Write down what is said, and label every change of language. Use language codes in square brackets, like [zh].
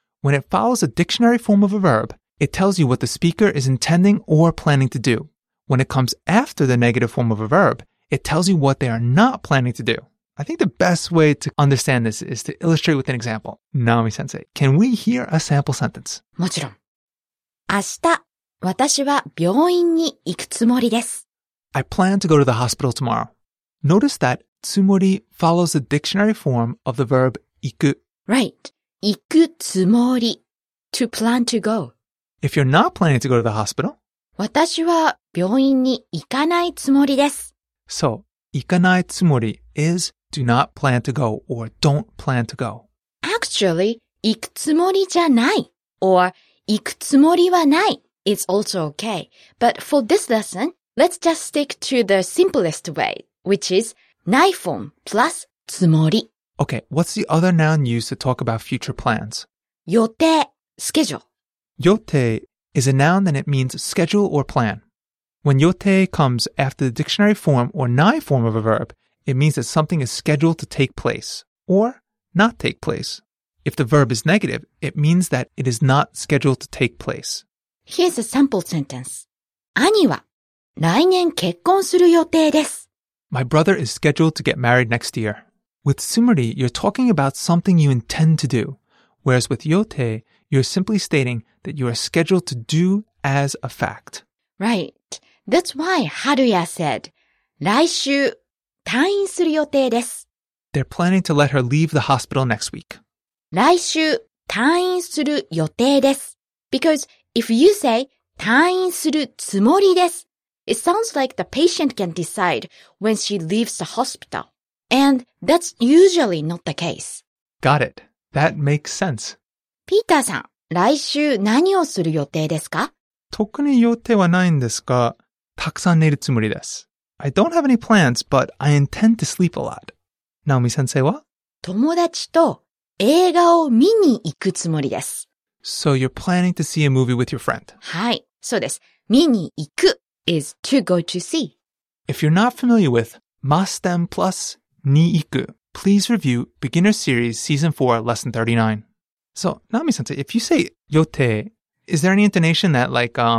[en] When it follows a dictionary form of a verb, it tells you what the speaker is intending or planning to do. When it comes after the negative form of a verb, it tells you what they are not planning to do. I think the best way to understand this is to illustrate with an example. Nami-sensei, can we hear a sample sentence? [ja] もちろん。明日私は病院に行くつもりです。 [en] I plan to go to the hospital tomorrow. Notice that つもり follows the dictionary form of the verb 行く. Right. 行くつもり.To plan to go. If you're not planning to go to the hospital, [ja] 私は病院に行かないつもりです。 [en] So, 行かないつもり is do not plan to go or don't plan to go. [ja] Actually, 行くつもりじゃない or 行くつもりはない。 [en] It's also okay. But for this lesson, let's just stick to the simplest way, which is ない form plus つもり. Okay, what's the other noun used to talk about future plans? [ja] 予定, schedule. [en] 予定 is a noun and it means schedule or plan. When 予定 comes after the dictionary form or ない form of a verb, it means that something is scheduled to take place or not take place. If the verb is negative, it means that it is not scheduled to take place. Here's a sample sentence. [ja] 兄は来年結婚する予定です。 [en] My brother is scheduled to get married next year. With つもり, you're talking about something you intend to do. Whereas with 予定, you're simply stating that you are scheduled to do as a fact. Right. That's why Haruya said, [ja] 来週退院する予定です。 [en] They're planning to let her leave the hospital next week. [ja] 来週退院する予定です。 [en] Because... If you say, [ja] 退院するつもりです, [en] it sounds like the patient can decide when she leaves the hospital. And that's usually not the case. Got it. That makes sense. [ja] ピーターさん、来週何をする予定ですか? 特に予定はないんですが、たくさん寝るつもりです。 [en] I don't have any plans, but I intend to sleep a lot. [ja] ナオミ先生は? 友達と映画を見に行くつもりです。 [en] So you're planning to see a movie with your friend. [ja] はい、そうです。 [en] 見に行く is to go to see. If you're not familiar with must and plus に行く, please review Beginner Series Season 4, Lesson 39. So, Nami-sensei, if you say 予定, is there any intonation that like,